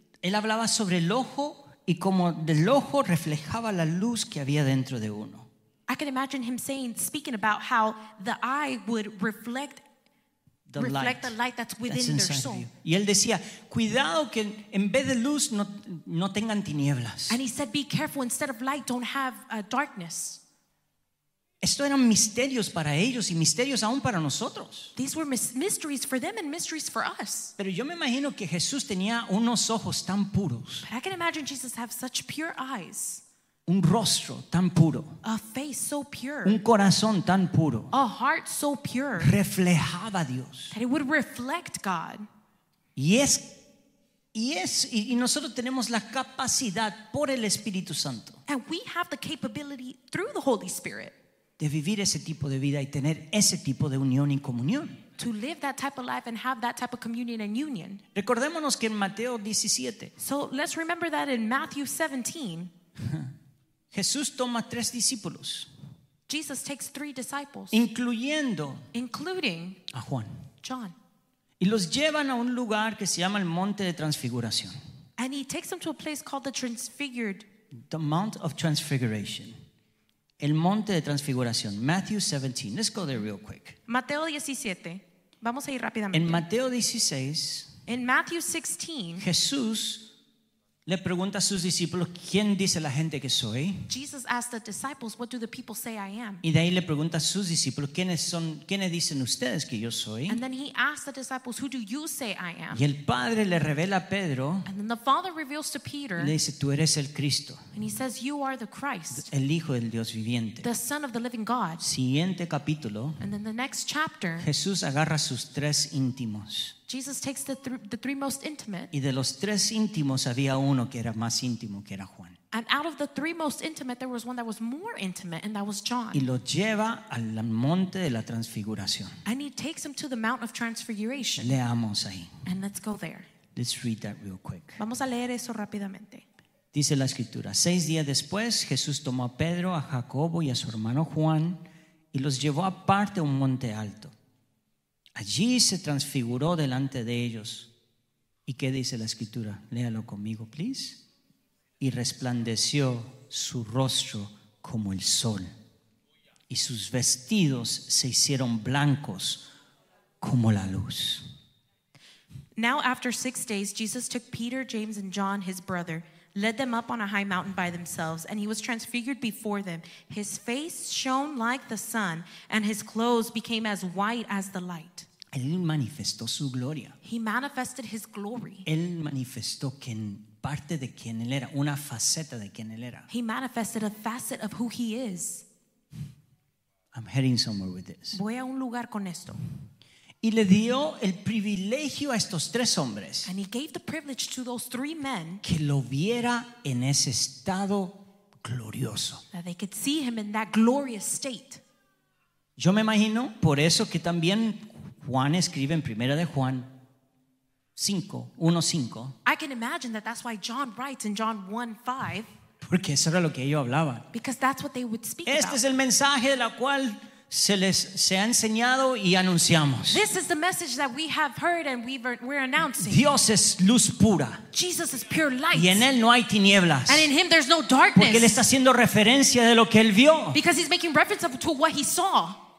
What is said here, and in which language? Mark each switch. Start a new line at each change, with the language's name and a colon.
Spanish: Él hablaba sobre el ojo y como del ojo reflejaba la luz que había dentro de uno.
English: I can imagine him saying, speaking about how the eye would reflect the, reflect the light that's within that's their soul.
Spanish: Y él decía, cuidado que en vez de luz no tengan tinieblas.
English: And he said, be careful, instead of light, don't have darkness.
Spanish: Esto eran misterios para ellos y misterios aún para nosotros.
English: These were mysteries for them and mysteries for us.
Spanish: Pero yo me imagino que Jesús tenía unos ojos tan puros.
English: But I can imagine Jesus have such pure eyes.
Spanish: Un rostro tan puro.
English: A face so pure.
Spanish: Un corazón tan puro.
English: A heart so pure.
Spanish: Reflejaba a Dios.
English: That it would reflect God.
Spanish: Y nosotros tenemos la capacidad por el Espíritu Santo.
English: And we have the capability through the Holy Spirit.
Spanish: De vivir ese tipo de vida y tener ese tipo de unión y comunión.
English: To live that type of life and have that type of communion and union.
Spanish: Recordémonos que en Mateo 17.
English: So let's remember that in Matthew 17.
Spanish: Jesús toma tres discípulos.
English: Jesus takes three disciples. Including a Juan. John.
Spanish: Y los llevan a un lugar que se llama el Monte de Transfiguración.
English: And he takes them to a place called the Transfigured. The Mount of Transfiguration.
Spanish: El Monte de Transfiguración,
English: Matthew 17. Let's go there real quick.
Spanish: Mateo 17. Vamos a ir rápidamente. En Mateo 16.
English: In Matthew 16.
Spanish: Jesús le pregunta a sus discípulos, ¿quién dice la gente que soy?
English: Jesus asked the disciples, what do the people say I am?
Spanish: Y de ahí le pregunta a sus discípulos, ¿quiénes dicen ustedes que yo soy?
English: And then he asked the disciples, who do you say I am?
Spanish: Y el Padre le revela a Pedro.
English: And then the Father reveals to Peter.
Spanish: Le dice, tú eres el Cristo.
English: And he says, you are the Christ.
Spanish: El Hijo del Dios viviente.
English: The Son of the living God.
Spanish: Siguiente capítulo.
English: And then the next chapter.
Spanish: Jesús agarra sus tres íntimos.
English: Jesus takes the three most intimate.
Spanish: Y de los tres íntimos había uno que era más íntimo, que era Juan.
English: And out of the three most intimate, there was one that was more intimate, and that was John.
Spanish: Y lo lleva al Monte de la Transfiguración.
English: And he takes him to the Mount of Transfiguration.
Spanish: Leamos ahí.
English: And let's go there. Let's read that real quick.
Spanish: Vamos a leer eso rápidamente. Dice la Escritura, 6 días después, Jesús tomó a Pedro, a Jacobo y a su hermano Juan, y los llevó aparte a un monte alto. Allí se transfiguró delante de ellos. ¿Y qué dice la Escritura? Léalo conmigo, please. Y resplandeció su rostro como el sol. Y sus vestidos se hicieron blancos como la luz.
English: Now after 6 days, Jesus took Peter, James, and John, his brother, led them up on a high mountain by themselves, and he was transfigured before them. His face shone like the sun, and his clothes became as white as the light.
Spanish: Él manifestó su gloria.
English: He manifested his glory.
Spanish: Él manifestó quien, parte de quien él era, una faceta de quien él era.
English: He manifested a facet of who he is. I'm heading somewhere with this.
Spanish: Voy a un lugar con esto. Y le dio el privilegio a estos tres hombres.
English: And he gave the privilege to those three men.
Spanish: Que lo viera en ese estado glorioso.
English: That they could see him in that glorious state.
Spanish: Yo me imagino por eso que también Juan escribe en Primera de Juan 5:1-5.
English: I can imagine that that's why John writes in John 1:5.
Spanish: Porque eso era lo que ellos hablaban.
English: Because that's what they would speak este about.
Spanish: Este es el mensaje de la cual se ha enseñado y anunciamos.
English: This is the message that we have heard and we're announcing.
Spanish: Dios es luz pura.
English: Jesus is pure light.
Spanish: Y en él no hay tinieblas.
English: And in him there's no darkness.
Spanish: Porque él está haciendo referencia de lo que él vio.
English: Because he's making reference to what he saw.